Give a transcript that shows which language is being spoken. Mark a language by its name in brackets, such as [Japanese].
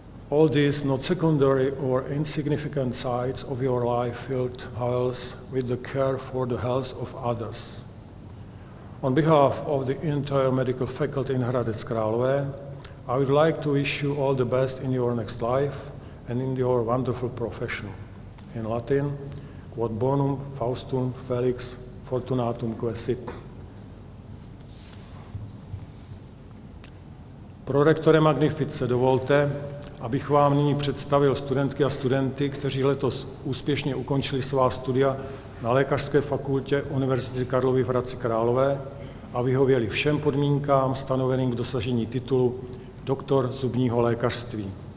[English] All these not secondary or insignificant sides of your life filled piles with the care for the health of others. On behalf of the entire medical faculty in Hradec Králové, I would like to wish you all the best in your next life and in your wonderful profession. In Latin, [Latin] quod bonum faustum felix fortunatum quae sit. [Czech] Prorektore Magnifice, dovolte, abych vám nyní představil studentky a studenty, kteří letos úspěšně ukončili svá studia na Lékařské fakultě Univerzity Karlovy v Hradci Králové a vyhověli všem podmínkám stanoveným k dosažení titulu doktor zubního lékařství.